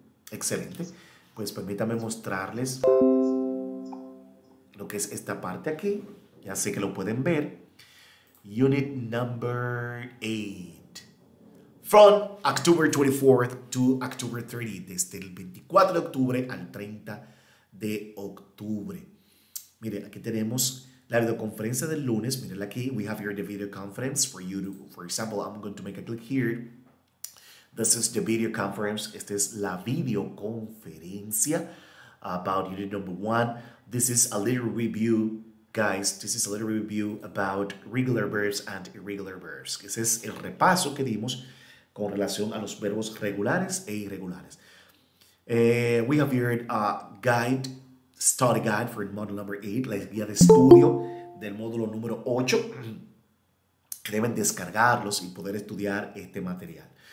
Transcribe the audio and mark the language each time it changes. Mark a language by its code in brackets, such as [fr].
[es] Excelente. Pues permítame mostrarles lo que es esta parte aquí. Ya sé que lo pueden ver. [en] Unit number 8. From October 24th to October 30th, [es] desde el 24 de octubre al 30 de octubre. Mire, aquí tenemos la videoconferencia del lunes. Mírenla aquí. [en] We have here the video conference for you to, for example, I'm going to make a click here. This is the video conference. [es] Esta es la videoconferencia [en] about unit number one. This is a little review. Guys, this is a little review about regular verbs and irregular verbs. [es] Ese es el repaso que dimos con relación a los verbos regulares e irregulares. [en] We have here a guide, study guide for module number 8, [es] la guía de estudio del módulo número 8, que deben descargarlos y poder estudiar este material.